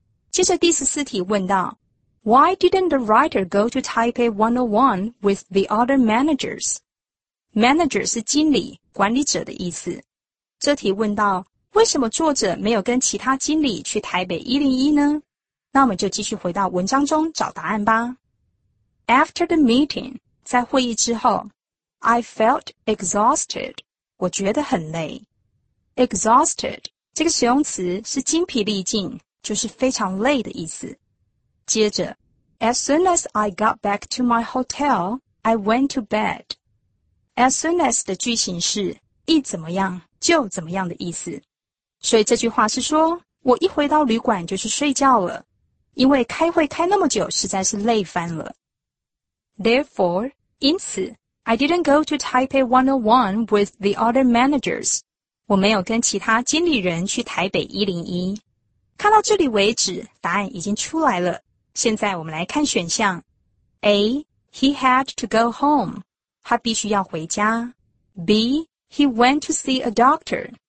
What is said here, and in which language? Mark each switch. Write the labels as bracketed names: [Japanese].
[Chinese] 接着第十四题问到 [English] Why didn't the writer go to Taipei 101 with the other managers? [Chinese] Manager 是经理、管理者的意思。这题问到为什么作者没有跟其他经理去台北101呢？那我们就继续回到文章中找答案吧。 [English] After the meeting, [Chinese] 在会议之后 [English] I felt exhausted, [Chinese] 我觉得很累。 Exhausted, 这个使用词是精疲力尽，就是非常累的意思。接着 [English] As soon as I got back to my hotel, I went to bed. [Chinese] As soon as 的句型是一怎么样就怎么样的意思。所以这句话是说我一回到旅馆就去睡觉了。因为开会开那么久实在是累翻了。 [English] Therefore, [Chinese] 因此 [English] I didn't go to Taipei 101 with the other managers. [Chinese] 我没有跟其他经理人去台北101。看到这里为止答案已经出来了。现在我们来看选项。 [English] A, he had to go home. [Chinese] 他必须要回家。 [English] B, he went to see a doctor.